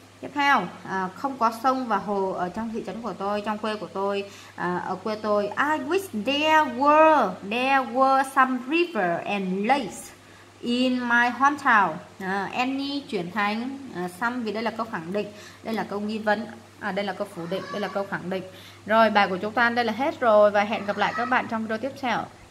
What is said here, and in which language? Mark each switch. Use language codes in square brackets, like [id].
[vi] Tiếp theo, không có sông và hồ ở trong thị trấn của tôi, trong quê của tôi, ở quê tôi. [en] I wish there were some river and lakes in my hometown. [vi] Any chuyển thành some, vì đây là câu khẳng định, đây là câu nghi vấn, đây là câu phủ định, đây là câu khẳng định. Rồi, bài của chúng ta đây là hết rồi, và hẹn gặp lại các bạn trong video tiếp theo.